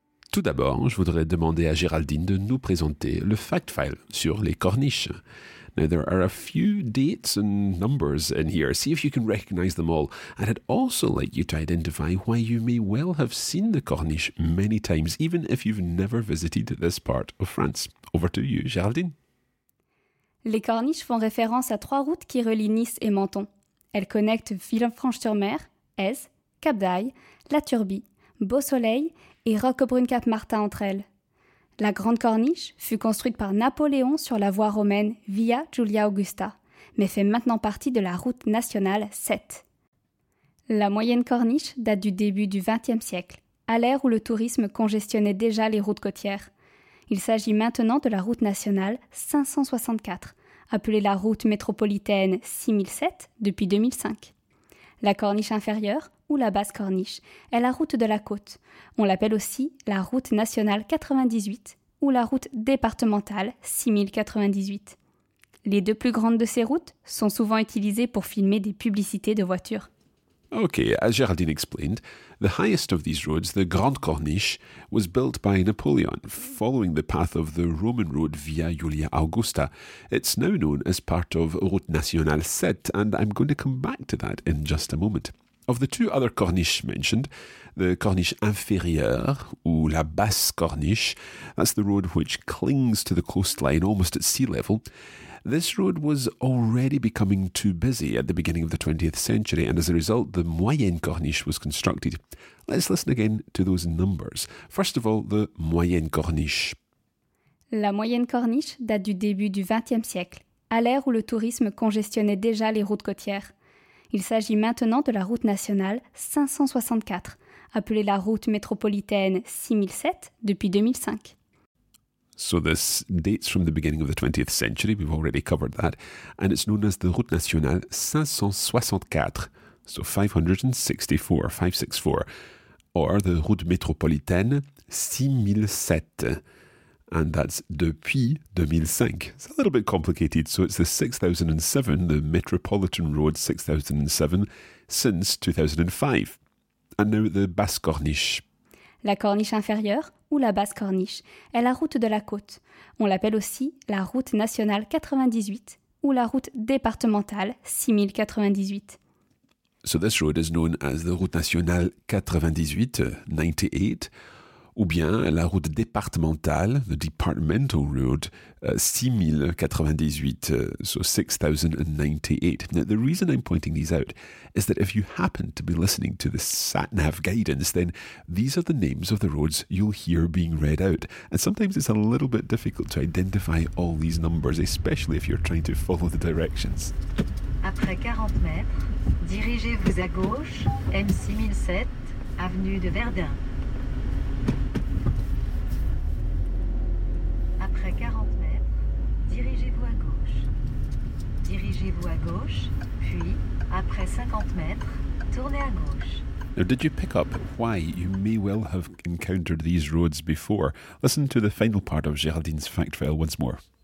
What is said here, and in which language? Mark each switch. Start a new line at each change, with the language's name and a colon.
French: Tout d'abord, je voudrais demander à Géraldine de nous présenter le fact file sur les corniches.
English: Now, there are a few dates and numbers in here. See if you can recognize them all. And I'd also like you to identify why you may well have seen the corniche many times, even if you've never visited this part of France. Over to you, Géraldine.
French: Les corniches font référence à trois routes qui relient Nice et Menton. Elles connectent Villefranche-sur-Mer, Aise, Cap d'Ail, La Turbie, Beausoleil et Roquebrune-Cap-Martin entre elles. La Grande Corniche fut construite par Napoléon sur la voie romaine Via Giulia Augusta, mais fait maintenant partie de la route nationale 7. La Moyenne Corniche date du début du XXe siècle, à l'ère où le tourisme congestionnait déjà les routes côtières. Il s'agit maintenant de la route nationale 564, appelée la route métropolitaine 6007 depuis 2005. La Corniche inférieure, ou la basse corniche, est la route de la côte. On l'appelle aussi la route nationale 98 ou la route départementale 6098. Les deux plus grandes de ces routes sont souvent utilisées pour filmer des publicités de voitures.
English: Ok, as Géraldine explained, the highest of these roads, the Grande Corniche, was built by Napoleon, following the path of the Roman road Via Julia Augusta. It's now known as part of Route Nationale 7, and I'm going to come back to that in just a moment. Of the two other corniches mentioned, the corniche inférieure,
French: ou la basse corniche,
English: that's the road which clings to the coastline almost at sea level, this road was already becoming too busy at the beginning of the 20th century, and as a result, the moyenne corniche was constructed. Let's listen again to those numbers. First of all, the moyenne corniche.
French: La moyenne corniche date du début du XXe siècle, à l'ère où le tourisme congestionnait déjà les routes côtières. Il s'agit maintenant de la route nationale 564, appelée la route métropolitaine 6007 depuis 2005.
English: So this dates from the beginning of the 20th century, we've already covered that, and it's known as the route nationale 564, so 564, 564, or the route métropolitaine 6007, and that's
French: depuis 2005.
English: It's a little bit complicated, so it's the 6007, the Metropolitan Road 6007, since 2005. And now the basse corniche.
French: La corniche inférieure, ou la basse corniche, est la route de la côte. On l'appelle aussi la route nationale 98, ou la route départementale 6098.
English: So this road is known as the route nationale 98, 98,
French: ou bien la route départementale,
English: the departmental road, 6098, so 6098. Now, the reason I'm pointing these out is that if you happen to be listening to the sat-nav guidance, then these are the names of the roads you'll hear being read out. And sometimes it's a little bit difficult to identify all these numbers, especially if you're trying to follow the directions.
French: Après 40 mètres, dirigez-vous à gauche, M6007, avenue de Verdun. Après 40 mètres, dirigez-vous à gauche. Dirigez-vous à gauche, puis, après 50 mètres, tournez à gauche.
English: Now, did you pick up why you may well have encountered these roads before? Listen to the final part of Géraldine's fact file once more.